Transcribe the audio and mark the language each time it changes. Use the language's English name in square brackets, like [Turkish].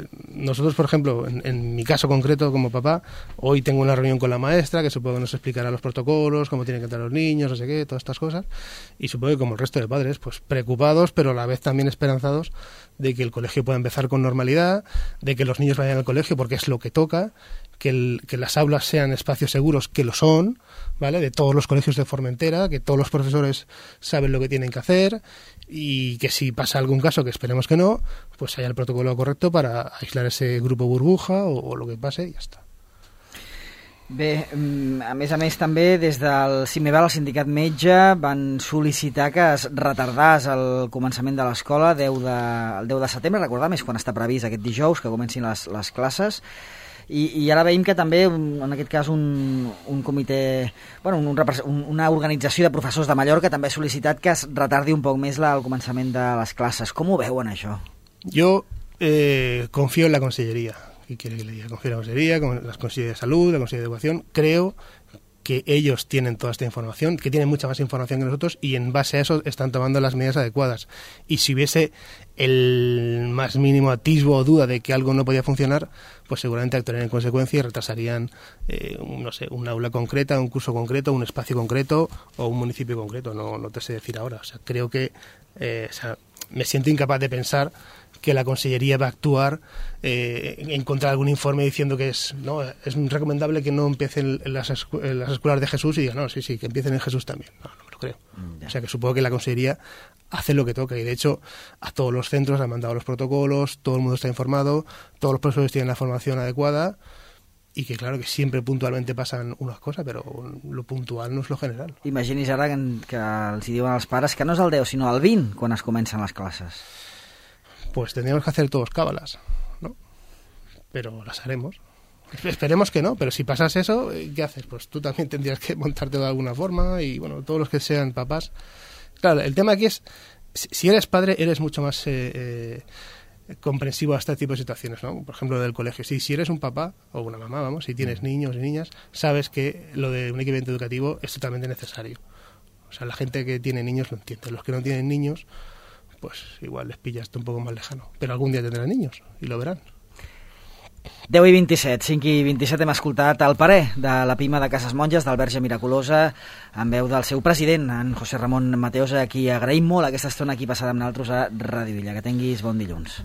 [Spanish] nosotros, por ejemplo, en mi caso concreto como papá, hoy tengo una reunión con la maestra que supongo que nos explicará los protocolos, cómo tienen que entrar los niños, no sé qué, todas estas cosas, y supongo que como el resto de padres, pues preocupados, pero a la vez también esperanzados, de que el colegio pueda empezar con normalidad, de que los niños vayan al colegio porque es lo que toca, que las aulas sean espacios seguros, que lo son, ¿vale? De todos los colegios de Formentera, que todos los profesores saben lo que tienen que hacer y que si pasa algún caso, que esperemos que no, pues haya el protocolo correcto para aislar ese grupo burbuja o lo que pase y ya está. [Catalan] Bé, a més també des del CIMEVAL, el sindicat metge, van sol·licitar que es retardàs el començament de l'escola el 10 de setembre, recordem, és quan està previst aquest dijous que comencin les classes. I ara veiem que també, en aquest cas, un comitè, bueno, una organització de professors de Mallorca també ha sol·licitat que es retardi un poc més el començament de les classes. Com ho veuen, això? Jo confio en la conselleria. [Spanish] ¿Qué quiere que le diga? Confío en la conselleria, con las consellerías de salud, la consellería de educación. Creo que ellos tienen toda esta información, que tienen mucha más información que nosotros, y en base a eso están tomando las medidas adecuadas. Y si hubiese el más mínimo atisbo o duda de que algo no podía funcionar, pues seguramente actuarían en consecuencia y retrasarían, un aula concreta, un curso concreto, un espacio concreto o un municipio concreto. No te sé decir ahora. O sea, creo que me siento incapaz de pensar que la conselleria [Catalan] va actuar en contra d'algun informe [Spanish] diciendo que es, no, es recomendable que no empiecen las escuelas de Jesús y digan, no, sí, que empiecen en Jesús también. No me lo creo. O sea, que supongo que la conselleria hace lo que toca y, de hecho, a todos los centros han mandado los protocolos, todo el mundo está informado, todos los profesores tienen la formación adecuada y que, claro, que siempre puntualmente pasan unas cosas, pero lo puntual no es lo general. [Catalan] Imagini's ara que els diuen als pares que no és el 10, sinó el 20 quan es comencen les classes. [Spanish] Pues tendríamos que hacer todos cábalas, ¿no? Pero las haremos. Esperemos que no, pero si pasas eso, ¿qué haces? Pues tú también tendrías que montarte de alguna forma y, bueno, todos los que sean papás. Claro, el tema aquí es, si eres padre, eres mucho más comprensivo a este tipo de situaciones, ¿no? Por ejemplo, del colegio. Si eres un papá o una mamá, vamos, si tienes niños y niñas, sabes que lo de un equipamiento educativo es totalmente necesario. O sea, la gente que tiene niños lo entiende. Los que no tienen niños, pues igual les pillas un poco más lejano. Pero algún día tendrán niños y lo verán. [Catalan] 10 i 27, 5 i 27 hem escoltat el parer de la Pima de Cases Monges del Verge Miraculosa en veu del seu president, en José Ramón Mateos, a qui agraïm molt aquesta estona aquí passada amb nosaltres a Ràdio Illa. Que tinguis bon dilluns.